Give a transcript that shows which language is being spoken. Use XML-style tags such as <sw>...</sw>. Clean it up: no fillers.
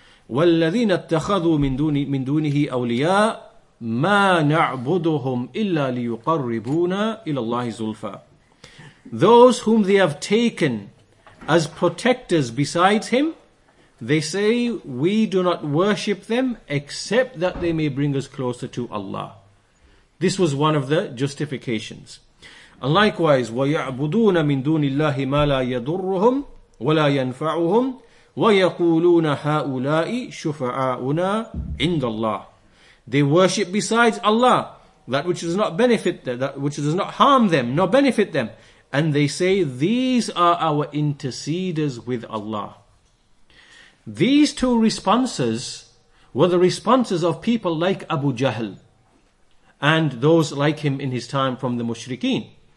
<ar>وَالَّذِينَ اتَّخَذُوا مِن دُونِهِ أَوْلِيَاء مَا نَعْبُدُهُمْ إِلَّا لِيُقَرِّبُونَ إِلَى اللَّهِ زُلْفَى.</ar> <en>Those whom they have taken as protectors besides him, they say, we do not worship them except that they may bring us closer to Allah. This was one of the justifications. And likewise,</en> <ar>وَيَعْبُدُونَ مِن دُونِ اللَّهِ مَا لَا يَضُرُّهُمْ وَلَا يَنْفَعُهُمْ وَيَقُولُونَ هَؤُلَاءِ شُفَعَاؤُنَا عِنْدَ اللَّهِ.</ar> <en>They worship besides Allah that which does not benefit them, that which does not harm them, nor benefit them. And they say, these are our interceders with Allah. These two responses were the responses of people like Abu Jahl and those like him in his time from the mushrikeen.</en>